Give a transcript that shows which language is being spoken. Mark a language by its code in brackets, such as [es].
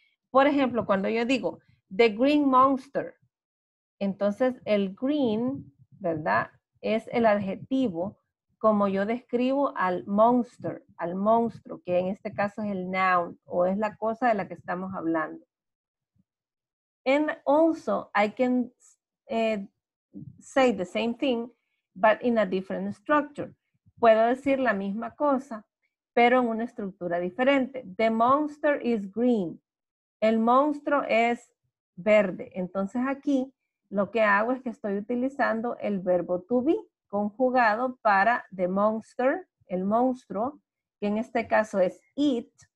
[es] Por ejemplo, cuando yo digo, [en] the green monster, [es] entonces el green, ¿verdad?, es el adjetivo como yo describo al monstruo, que en este caso es el noun, o es la cosa de la que estamos hablando. [en] And also, I can say the same thing, but in a different structure. [es] Puedo decir la misma cosa, pero en una estructura diferente. [en] The monster is green. [es] El monstruo es verde. Entonces aquí, lo que hago es que estoy utilizando el verbo to be conjugado para [en] the monster, [es] el monstruo, que en este caso es it.